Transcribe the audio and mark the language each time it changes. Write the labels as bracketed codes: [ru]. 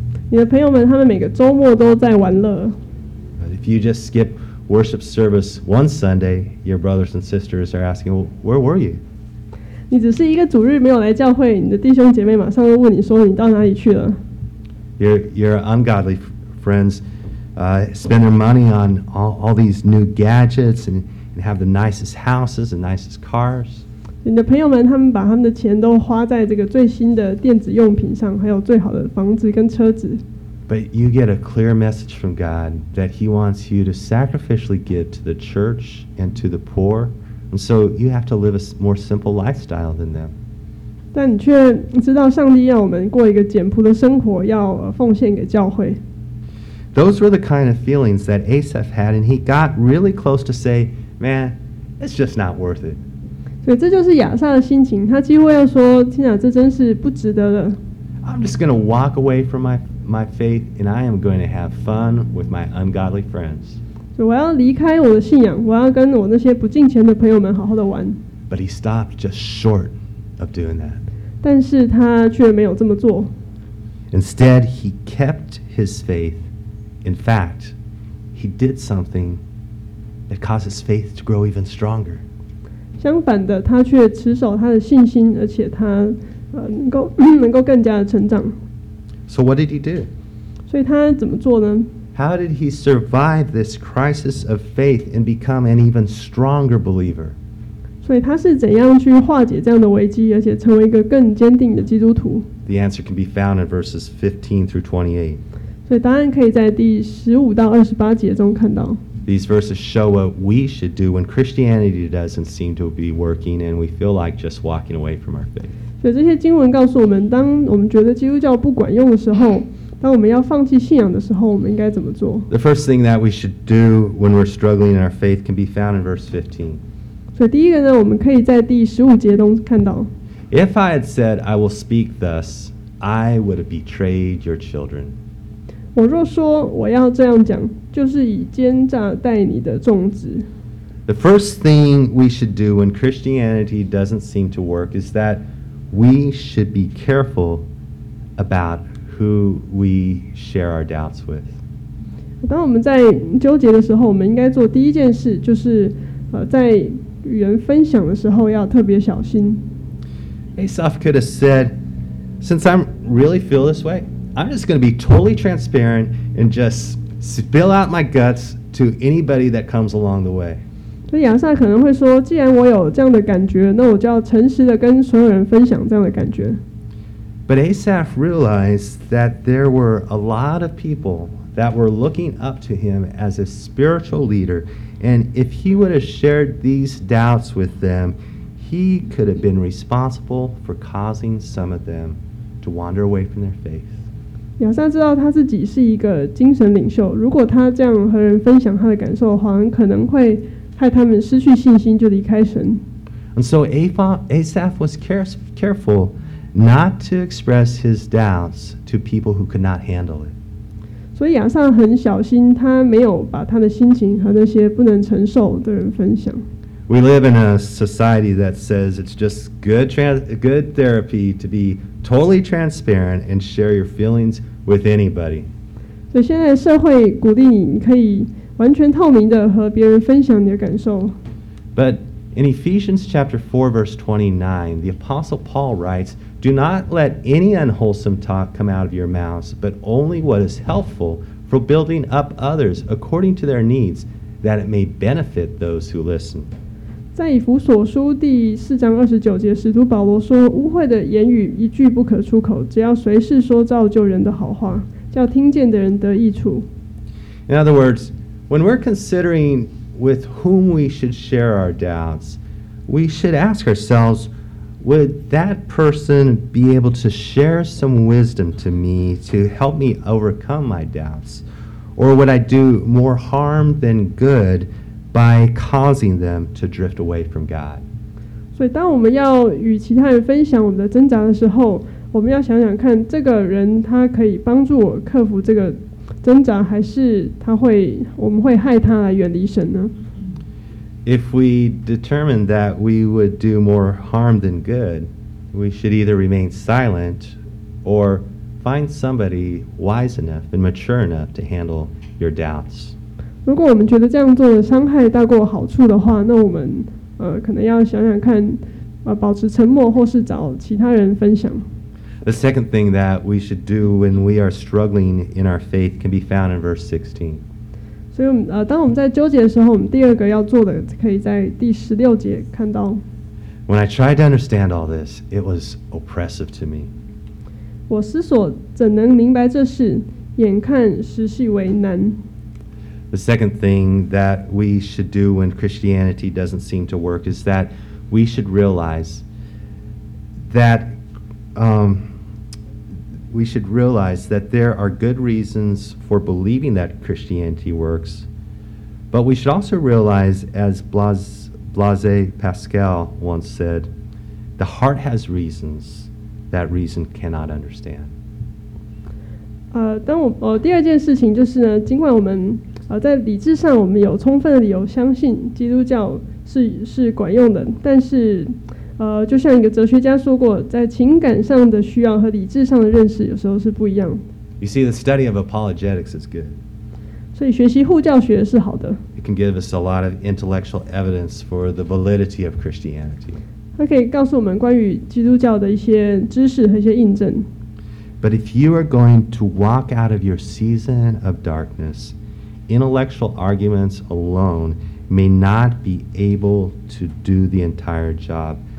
[zh] 你的朋友们，他们每个周末都在玩乐。 [en] But if you just skip worship service one Sunday, your brothers and sisters are asking, well, "Where were you?" [zh] 你只是一个主日没有来教会，你的弟兄姐妹马上就问你说，你到哪里去了？ [en] Your ungodly friends spend their money on all these new gadgets and have the nicest houses and nicest cars. [zh] 你的朋友们他们把他们的钱都花在这个最新的电子用品上，还有最好的房子跟车子。 [en] But you get a clear message from God that He wants you to sacrificially give to the church and to the poor. And so you have to live a more simple lifestyle than them. [zh] 但你却知道上帝要我们过一个简朴的生活，要奉献给教会。 [en] Those were the kind of feelings that Asaph had, and he got really close to say, "Man, it's just not worth it." [zh] 所以这就是亚撒的心情，他几乎要说：“天啊，这真是不值得的。” [en] I'm just going to walk away from my faith, and I am going to have fun with my ungodly friends. [zh] 所以我要离开我的信仰，我要跟我那些不敬虔的朋友们好好的玩。 [en] But he stopped just short of doing that. [zh] 但是他却没有这么做。 [en] Instead, he kept his faith. In fact, he did something that caused his faith to grow even stronger. [zh] 相反的，他却持守他的信心，而且他能够更加的成长。 [en] So what did he do? [zh] 所以他怎么做呢？ [en] How did he survive this crisis of faith and become an even stronger believer? [zh] 所以他是怎样去化解这样的危机，而且成为一个更坚定的基督徒？ [en] The answer can be found in verses 15 through 28. [zh] 所以答案可以在第15到28节中看到。 [en] These verses show what we should do when Christianity doesn't seem to be working and we feel like just walking away from our faith. [zh] 所以这些经文告诉我们，当我们觉得基督教不管用的时候，当我们要放弃信仰的时候，我们应该怎么做？ [en] The first thing that we should do when we're struggling in our faith can be found in verse 15. [zh] 所以第一个呢，我们可以在第15节中看到。 [en] If I had said I will speak thus, I would have betrayed your children. [zh] 我若说我要这样讲，就是以奸诈待你的众子。 [en] The first thing we should do when Christianity doesn't seem to work is that we should be careful aboutWho we share our doubts with. [zh] 当我们在纠结的时候，我们应该做第一件事，就是在与人分享的时候要特别小心。 [en] Asaph could have said, "Since I really feel this way, I'm just going to be totally transparent and just spill out my guts to anybody that comes along the way." [zh] 所以亚撒可能会说，既然我有这样的感觉，那我就要诚实的跟所有人分享这样的感觉。 [en] But Asaph realized that there were a lot of people that were looking up to him as a spiritual leader, And if he would have shared these doubts with them, he could have been responsible for causing some of them to wander away from their faith. [zh] 亚萨知道他自己是一个精神领袖，如果他这样和人分享他的感受的话，很可能会害他们失去信心就离开神。 [en] And so Asaph was careful not to express his doubts to people who could not handle it. [zh] 所以亚萨很小心，他没有把他的心情和那些不能承受的人分享。 [en] We live in a society that says it's just good therapy to be totally transparent and share your feelings with anybody. [zh] 所以现在社会鼓励你，你可以完全透明的和别人分享你的感受。 [en] But in Ephesians chapter 4 verse 29, the Apostle Paul writes, "Do not let any unwholesome talk come out of your mouths, but only what is helpful for building up others according to their needs, that it may benefit those who listen." [zh] 在以弗所书第四章二十九节，使徒保罗说：“污秽的言语一句不可出口，只要随时说造就人的好话，叫听见的人得益处。” [en] In other words, when we're considering with whom we should share our doubts, we should ask ourselves, would that person be able to share some wisdom to me to help me overcome my doubts? Or would I do more harm than good by causing them to drift away from God? [zh] 所以当我们要与其他人分享我们的挣扎的时候，我们要想想看，这个人他可以帮助我克服这个挣扎，还是他会，我们会害他来远离神呢？ [en] If we determine that we would do more harm than good, we should either remain silent or find somebody wise enough and mature enough to handle your doubts. [zh] 如果我们觉得这样做的伤害大过好处的话，那我们可能要想想看，保持沉默或是找其他人分享。 [en] The second thing that we should do when we are struggling in our faith can be found in verse 16. [zh] 所以当我们在纠结的时候，我们第二个要做的可以在第十六节看到。 [en] When I tried to understand all this, it was oppressive to me. [zh] 我思索怎能明白这事，眼看实系为难。 [en] The second thing that we should do when Christianity doesn't seem to work is that we should realize thatwe should realize that there are good reasons for believing that Christianity works, but we should also realize, as Blaise Pascal once said, the heart has reasons that reason cannot understand. [zh] 第二件事情就是呢，尽管我们在理智上我们有充分的理由相信基督教是管用的，但是就像一个哲学家说过，在情感上的需要和理智上的认识有时候是不一样。 [en] You see, the study of apologetics is good. [zh] 所以学习护教学是好的。 [en] It can give us a lot of intellectual evidence for the validity of Christianity. [zh] 它可以告诉我们关于基督教的一些知识和一些印证。 [en] But if you are going to walk out of your season of darkness, intellectual arguments alone may not be able to do the entire job.